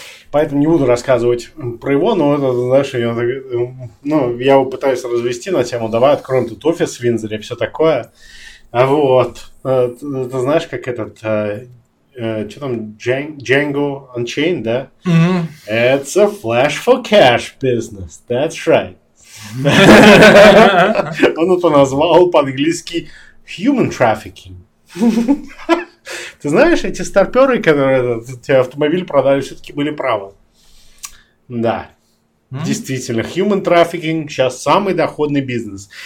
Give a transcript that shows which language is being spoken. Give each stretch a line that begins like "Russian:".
Russian: Поэтому не буду рассказывать про его, но это, знаешь, я его пытаюсь развести на тему: давай откроем тут офис в Виндзоре, все такое. А вот, ты знаешь, как этот, что там, Django Unchained, да? Mm-hmm.
English: It's a flash for cash business, that's right.
Russian: Он это назвал по-английски human trafficking. Ты знаешь, эти старперы, которые тебе автомобиль продали, все-таки были правы. Да. Mm-hmm. Действительно, human trafficking сейчас самый доходный бизнес.